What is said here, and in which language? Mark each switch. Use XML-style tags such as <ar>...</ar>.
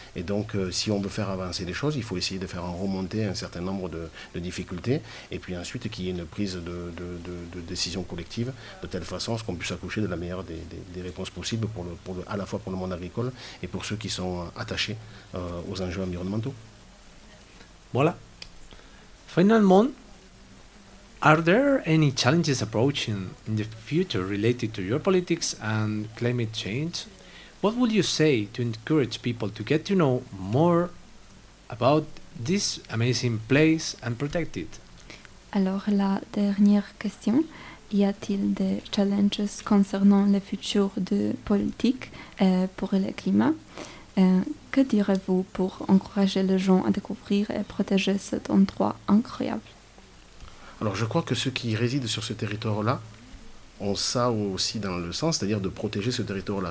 <fr>Et donc si on veut faire avancer les choses, il faut essayer de faire remonter un certain nombre de difficultés, et puis ensuite qu'il y ait une prise de décision collective, de telle façon à ce qu'on puisse accoucher de la meilleure des réponses possibles à la fois pour le monde agricole et pour ceux qui sont attachés aux enjeux environnementaux. Voilà.</fr> <en>Finalement, are there any challenges approaching in the future related to your politics and climate change? What would you say to encourage people to get to know more about this amazing place and protect it?</en> <fr>Alors, la dernière question. Y a-t-il des challenges concernant le futur de politique pour le climat? Que direz-vous pour encourager les gens à découvrir et protéger cet endroit incroyable? Alors, je crois que ceux qui résident sur ce territoire-là ont ça aussi dans le sens, c'est-à-dire de protéger ce territoire-là.</fr>